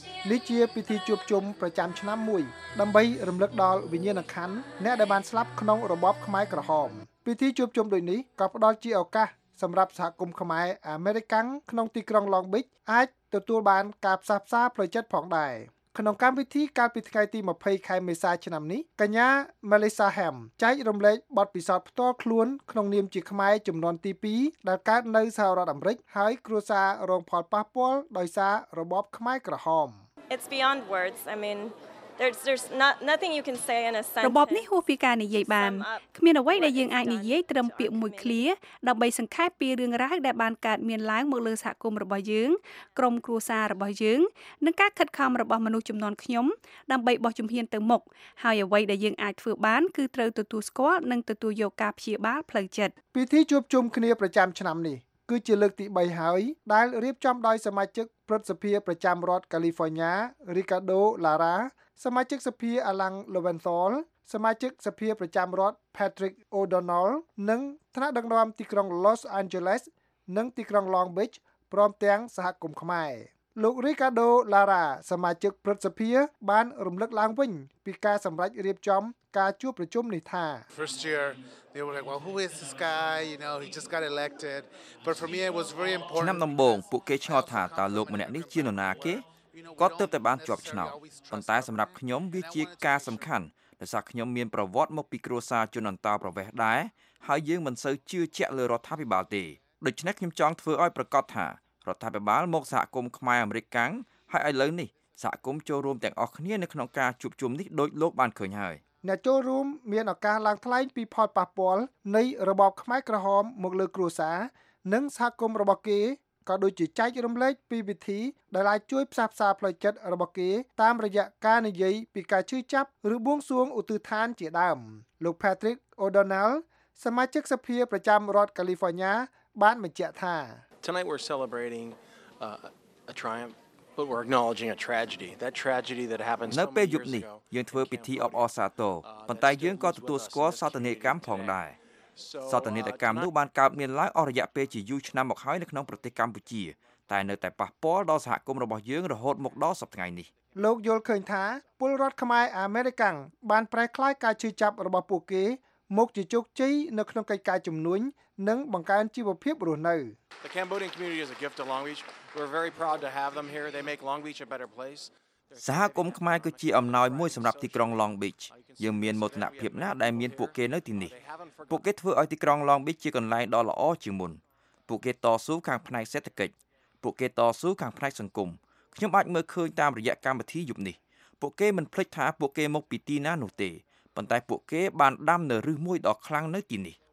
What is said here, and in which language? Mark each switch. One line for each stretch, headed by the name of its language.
Khmer: នេះជាពិធីជួបជុំប្រចាំឆ្នាំមួយដើម្បីរំលឹកដល់វិញ្ញាណក្ខន្ធអ្នកដែលបានស្លាប់ក្នុងរបបខ្មែរក្រហមពិធីជួបជុំដូចនេះក៏ផ្ដល់ជាឱកាសសម្រាប់សហគមន៍ខ្មែរអាមេរិកាំងក្នុងទីក្រុង Long Beach អាចទទួលបានការផ្សះផ្សាផ្លូវចិត្តផងដែរ ក្នុងកម្មវិធីកាលពីថ្ងៃទី20ខែមេសាឆ្នាំនេះកញ្ញា Melissa Ham ចែករំលែកបទពិសោធន៍ផ្ទាល់ខ្លួនក្នុងនាមជាខ្មែរចំនួនទី2ដែលកើតនៅសហរដ្ឋអាមេរិកហើយគ្រួសាររងផលប៉ះពាល់ដោយសាររបបខ្មែរក្រហម
English: It's beyond words I meanThere's nothing you can say in a sentence.
Khmer: របបនេះហួសពីការនិយាយបានគ្មានអ្វីដែលយើងអាចនិយាយត្រឹមពាក្យមួយឃ្លាដើម្បីសង្ខេបពីរឿងរ៉ាវដែលបានកើតមានឡើងមកលើសហគមន៍របស់យើងក្រុមគ្រួសាររបស់យើងនិងការខិតខំរបស់មនុស្សចំនួនខ្ញុំដើម្បីបោះជំហានទៅមុខហើយអ្វីដែលយើងអាចធ្វើបានគឺត្រូវទទួលស្គាល់និងទទួលយកការព្យាបាលផ្លូវចិត្ត ពិធីជួបជុំគ្នាប្រចាំឆ្នាំនេះគឺជាលើកទី3ហើយដែលរៀបចំដោយសមាជិកព្រឹទ្ធសភាប្រចាំរដ្ឋ California Ricardo Lara សមាជិកសភា Alan Loventhal សមាជិកសភាប្រចាំរដ្ឋ Patrick O'Donnell និងថ្នាក់ដឹកនាំទីក្រុង Los Angeles និងទីក្រុង Long Beach ព្រមទាំងសហគមន៍ខ្មែរលោក Ricardo Lara សមាជិកព្រឹទ្ធសភាបានរំលឹកឡើងវិញពីការសម្រេចរៀបចំការជួបប្រជុំនេះថា
English: First year they were like well who is this guy you know he just got elected but for me it was very important
Khmer: ឆ្នាំដំបូងពួកគេឆ្ងល់ថាតើលោកម្នាក់នេះជានរណាគេគាត់ទើបតែបានជាប់ឆ្នោតប៉ុន្តែសម្រាប់ខ្ញុំវាជាការសំខាន់ដោយសារខ្ញុំមានប្រវត្តិមកពីគ្រួសារជនអន្តោប្រវេសន៍ដែរហើយយើងមិនសូវជឿជាក់លើរដ្ឋាភិបាលទេដូច្នេះខ្ញុំចង់ធ្វើឲ្យប្រកាសថារដ្ឋាភិបាលមកសហគមន៍ខ្មែរអាមេរិកកាំងហើយឥឡូវនេះសហគមន៍ចូលរួមទាំងអស់គ្នានៅក្នុងការជួបជុំនេះដោយលោកបានឃើញហើយ អ្នកចូលរួមមានឱកាសឡើងថ្លែងពីផលប៉ះពាល់នៃរបបខ្មែរក្រហមមកលើគ្រួសារនិងសហគមន៍របស់គេក៏ដូចជាចែករំលែកពីវិធីដែលអាចជួយផ្សះផ្សាផ្លូវចិត្តរបស់គេតាមរយៈការនិយាយពីការជួយចាប់ឬបួងសួងឧទ្ទិសឋានជាដើមលោក Patrick O'Donnell សមាជិកសភាប្រចាំរដ្ឋ California បានបញ្ជាក់ថា
English: Tonight we're celebrating a triumph. But we're acknowledging a tragedy. That tragedy that happened so many years ago.
Khmer: នៅពេលយប់នេះយើងធ្វើពិធីអបអរសាទរប៉ុន្តែយើងក៏ទទួលស្គាល់សោកនាដកម្មផងដែរ សោកនាដកម្មនោះបានកើតមានឡើងអស់រយៈពេលជាយូរឆ្នាំមកហើយនៅក្នុងប្រទេសកម្ពុជាតែនៅតែប៉ះពាល់ដល់សហគមន៍របស់យើងរហូតមកដល់សប្តាហ៍ថ្ងៃនេះ លោកយល់ឃើញថាពលរដ្ឋខ្មែរអាមេរិកាំងបានប្រែក្លាយការជឿចាប់របស់ពួកគេមកជាជោគជ័យនៅក្នុងកិច្ចការជំនួញនិងបង្កើនជីវភាពរស់នៅ
English: The Cambodian community is a gift to Long Beach. We're very proud to have them here. They make Long Beach a better place.
Khmer: សហគមន៍ខ្មែរគឺជាអំណោយមួយសម្រាប់ទីក្រុង Long Beach. យើងមានមោទនភាពណាស់ដែលមានពួកគេនៅទីនេះ។ពួកគេធ្វើឲ្យទីក្រុង Long Beach ជាកន្លែងដ៏ល្អជាងមុន។ពួកគេតស៊ូខាងផ្នែកសេដ្ឋកិច្ច។ពួកគេតស៊ូខាងផ្នែកសង្គម។ខ្ញុំអាចមើលឃើញតាមរយៈកម្មវិធីយប់នេះ។ពួកគេមិនភ្លេចថាពួកគេមកពីទីណានោះទេ។ប៉ុន្តែពួកគេបានដាំនៅឫសមួយដ៏ខ្លាំងនៅទីនេះ